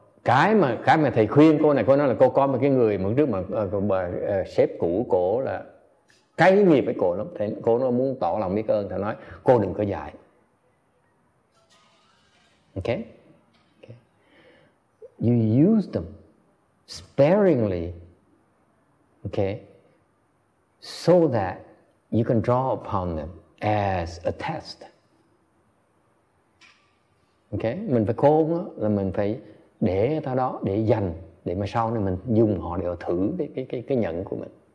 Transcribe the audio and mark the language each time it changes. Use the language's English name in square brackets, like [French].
[Vietnamese] Cái mà thầy khuyên cô này, cô nói là cô có một cái người mà trước mà sếp cũ cổ là cái nghiệp với cổ lắm. Thầy, cô nó muốn tỏ lòng biết ơn, thầy nói cô đừng có dạy. [English] Okay? Okay. You use them sparingly, okay, so that you can draw upon them as a test. Okay? [Vietnamese] Mình phải khôn đó, là mình phải để ta đó, để dành, để mà sau này mình dùng họ để thử cái nhận của mình.